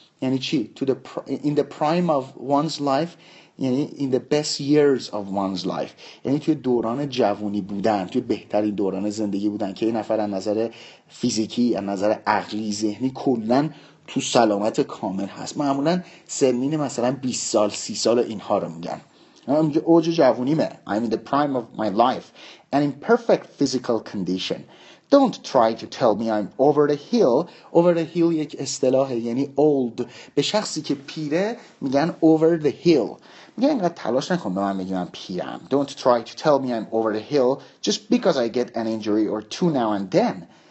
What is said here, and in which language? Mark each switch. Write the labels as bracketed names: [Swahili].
[Persian] یعنی چی؟ [English] in the prime of one's life [Persian] یعنی [English] in the best years of one's life، [Persian] یعنی توی دوران جوانی بودن، توی بهترین دوران زندگی بودن که این نفر از نظر فیزیکی، از نظر عقلی، ذهنی کلن تو سلامت کامل هست. معمولا سنین مثلا 20 سال 30 سال اینها رو میگن. میگه اوج جوونیمه. [English] I'm in the prime of my life and in perfect physical condition. Don't try to tell me I'm over the hill. [Persian] Over the hill یک اصطلاحه، یعنی old. به شخصی که پیره میگن over the hill. میگه اینقدر تلاش نکن به من بگی من پیرم. [English] Don't try to tell me I'm over the hill just because I get an injury or two now and then.